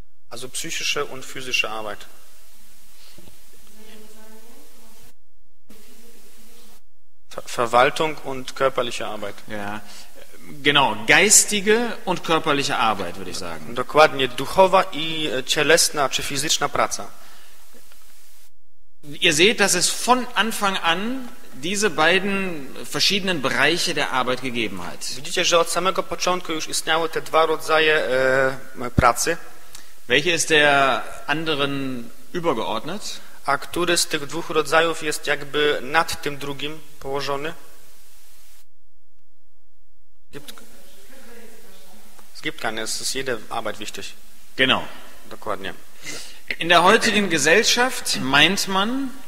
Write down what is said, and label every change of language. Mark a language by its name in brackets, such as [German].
[German] Also psychische und physische Arbeit. Verwaltung und körperliche Arbeit. Ja, genau, geistige und körperliche Arbeit, würde ich sagen. [Polish] Dokładnie, duchowa i cielesna czy fizyczna praca. [German] Ihr seht, dass es von Anfang an diese beiden verschiedenen Bereiche der Arbeit gegeben hat. [Polish] Widzicie, że od samego początku już istniały te dwa rodzaje pracy. [German] Welche ist der anderen übergeordnet? [Polish] A który z tych dwóch rodzajów jest jakby nad tym drugim położony? [German] Es gibt keine, es ist jede Arbeit wichtig. Genau. [Polish] Dokładnie. [German] In der heutigen Gesellschaft meint man,